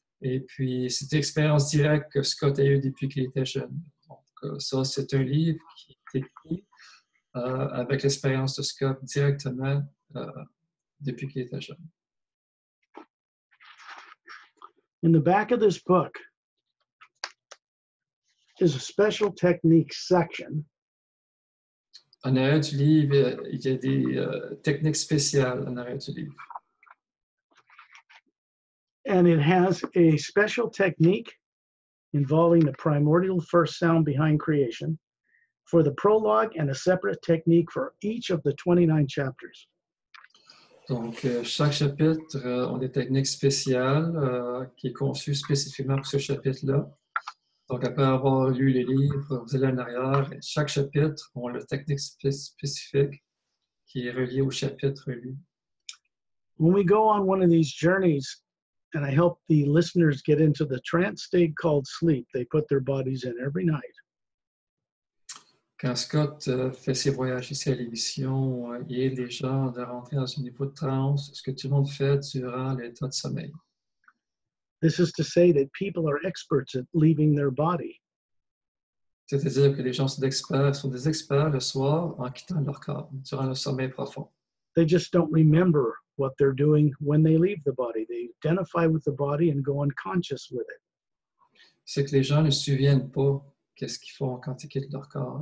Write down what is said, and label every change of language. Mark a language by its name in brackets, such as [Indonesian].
[French] Et puis, c'est une expérience directe que Scott a eue depuis qu'il était jeune. Donc, ça, c'est un livre qui est écrit. Avec l'expérience de Scott directement depuis qu'il était jeune. [English] In the back of this book is a special technique section. [French] En arrière du livre, il y a des techniques spéciales en arrière du livre. [English] And it has a special technique involving the primordial first sound behind creation. For the prologue and a separate technique for each of the 29 chapters. [French] Donc, chaque chapitre a des techniques spéciales qui est conçue spécifiquement pour ce chapitre-là. Donc, après avoir lu les livres, vous allez en arrière. Chaque chapitre a la technique spécifique qui est reliée au chapitre lu. [English] When we go on one of these journeys, and I help the listeners get into the trance state called sleep, they put their bodies in every night. [French] Quand Scott fait ses voyages ici à l'émission, il aide les gens de rentrer dans un niveau de transe, ce que tout le monde fait durant l'état de sommeil. [English] This is to say that people are experts at leaving their body. [French] C'est-à-dire que les gens sont experts, le soir en quittant leur corps durant le sommeil profond. [English] They just don't remember what they're doing when they leave the body. They identify with the body and go unconscious with it. [French] C'est que les gens ne se souviennent pas. Qu'est-ce qu'ils font quand ils quittent leur corps?